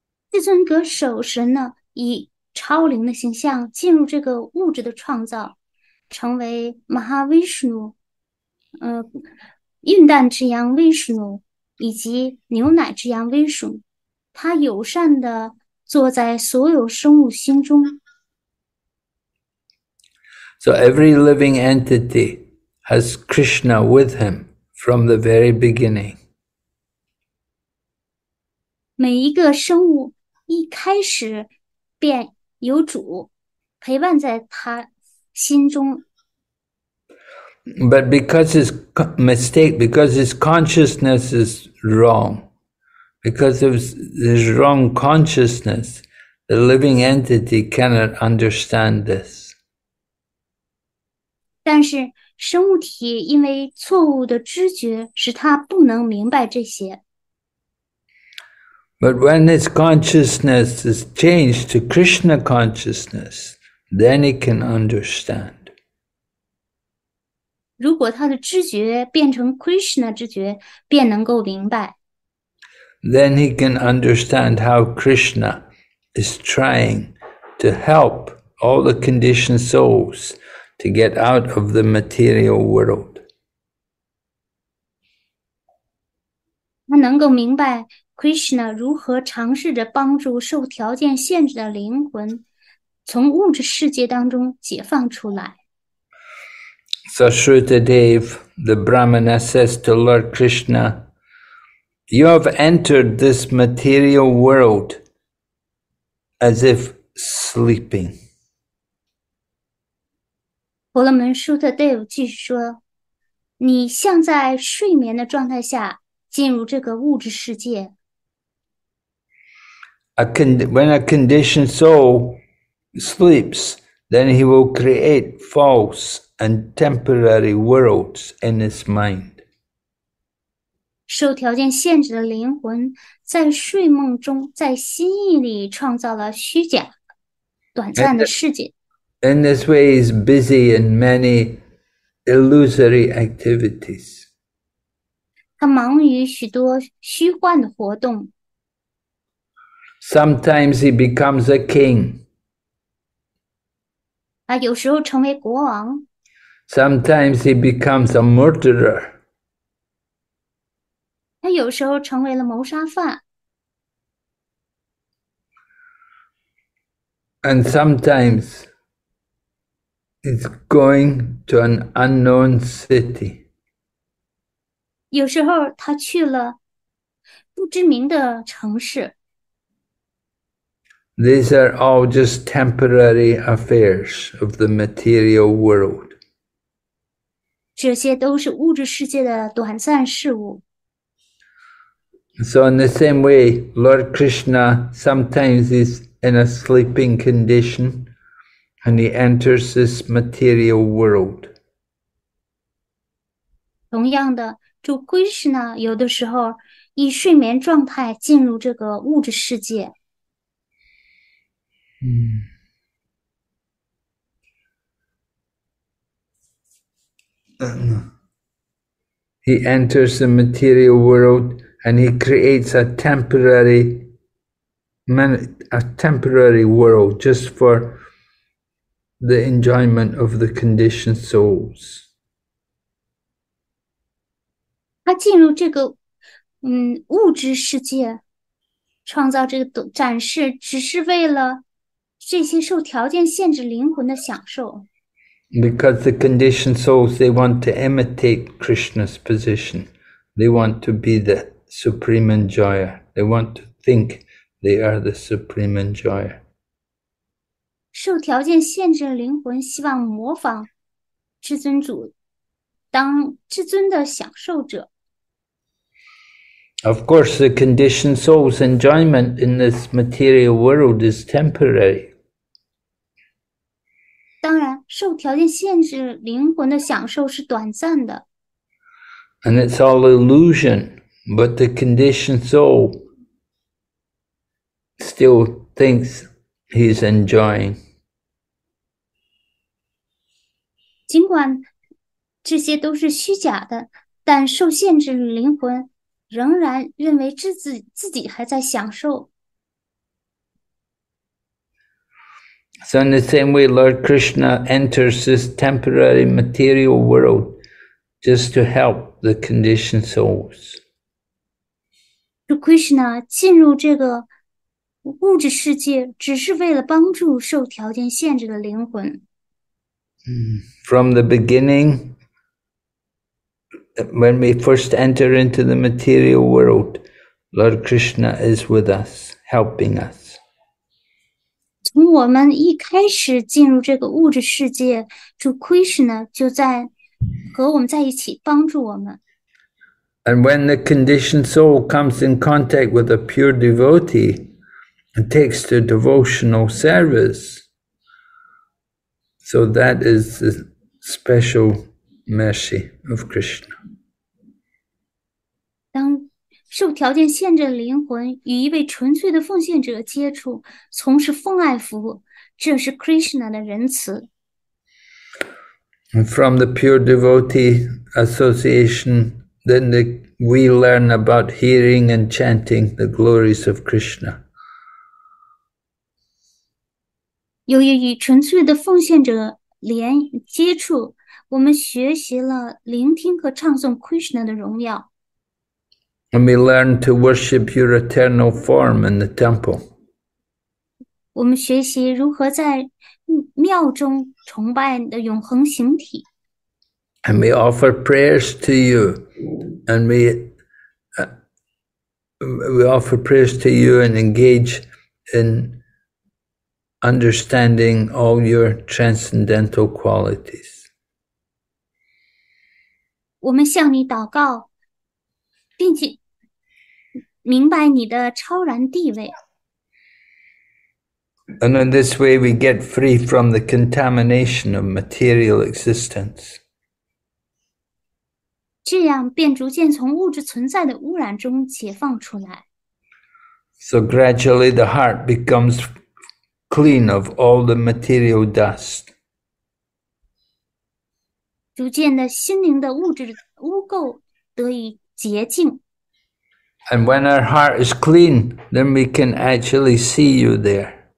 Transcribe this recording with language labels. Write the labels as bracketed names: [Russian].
[Chinese] 至尊阁守神呢，以超灵的形象进入这个物质的创造，成为 Mahavishnu， 运蛋之羊 Vishnu 以及牛奶之羊 Vishnu， 他友善的坐在所有生物心中。 [English] So every living entity has Krishna with him from the very beginning. [Chinese] 每一个生物一开始便有主陪伴在他心中。 [English] But because his mistake, because his consciousness is wrong, because of his wrong consciousness, the living entity cannot understand this. [Chinese] 但是生物体因为错误的知觉使他不能明白这些。 [English] But when his consciousness is changed to Krishna consciousness, then he can understand. [Chinese] 如果他的知觉变成 Krishna 知觉，便能够明白。 [English] Then he can understand how Krishna is trying to help all the conditioned souls to get out of the material world. [Chinese] 他能够明白Krishna 如何尝试着帮助受条件限制的灵魂从物质世界当中解放出来。 [English] So Shruta Dev, the Brahmana says to Lord Krishna, you have entered this material world as if sleeping. [Chinese] 婆罗门 Shruta Dev 继续说，你像在睡眠的状态下进入这个物质世界。 [English] When a conditioned soul sleeps, then he will create false and temporary worlds in his mind. [Chinese] 受条件限制的灵魂在睡梦中，在心意里创造了虚假、短暂的世界。 [English] In this way, he is busy in many illusory activities. [Chinese] 他忙于许多虚幻的活动。 [English] Sometimes he becomes a king. [Chinese] 啊，有时候成为国王。 [English] Sometimes he becomes a murderer. [Chinese] 他有时候成为了谋杀犯。 [English] And sometimes he's going to an unknown city. [Chinese] 有时候他去了不知名的城市。 [English] These are all just temporary affairs of the material world. [Chinese] 这些都是物质世界的短暂事物。 [English] So in the same way, Lord Krishna sometimes is in a sleeping condition and he enters this material world. [Chinese] 同样的，主 Krishna 有的时候以睡眠状态进入这个物质世界。 [English] He enters the material world and he creates a temporary world just for the enjoyment of the conditioned souls. [Chinese] 他进入这个物质世界，创造这个展示，只是为了这些受条件限制灵魂的享受。 [English] Because the conditioned souls, they want to imitate Krishna's position. They want to be the supreme enjoyer. They want to think they are the supreme enjoyer. [Chinese] 受条件限制的灵魂希望模仿至尊主，当至尊的享受者。 [English] Of course, the conditioned soul's enjoyment in this material world is temporary. [Chinese] 当然，受条件限制灵魂的享受是短暂的。 [English] And it's all illusion, but the conditioned soul still thinks he's enjoying. [Chinese] 尽管这些都是虚假的，但受限制的灵魂仍然认为自己还在享受。 [English] So in the same way, Lord Krishna enters this temporary material world just to help the conditioned souls. [Chinese] Lord Krishna 进入这个物质世界只是为了帮助受条件限制的灵魂。 [English] From the beginning, when we first enter into the material world, Lord Krishna is with us, helping us. [Chinese] 从我们一开始进入这个物质世界，主 Krishna 就在和我们在一起，帮助我们。 [English] And when the conditioned soul comes in contact with a pure devotee and takes to devotional service, so that is the special mercy of Krishna. [Chinese] 当受条件限制的灵魂与一位纯粹的奉献者接触，从事奉爱服务，这是 Krishna 的仁慈。 [English] And from the pure devotee association, then we learn about hearing and chanting the glories of Krishna. [Chinese] 由于与纯粹的奉献者连接触，我们学习了聆听和唱诵 Krishna 的荣耀。 [English] And we learn to worship your eternal form in the temple. [Chinese] 我们学习如何在庙中崇拜你的永恒形体。 [English] And we offer prayers to you, and we offer prayers to you and engage in understanding all your transcendental qualities. [Chinese] 我们向你祷告，并且明白你的超然地位。 [English] And in this way, we get free from the contamination of material existence. [Chinese] 这样便逐渐从物质存在的污染中解放出来。 [English] So gradually, the heart becomes clean of all the material dust. [Chinese] 逐渐的，心灵的物质污垢得以洁净。 [English] And when our heart is clean, then we can actually see you there.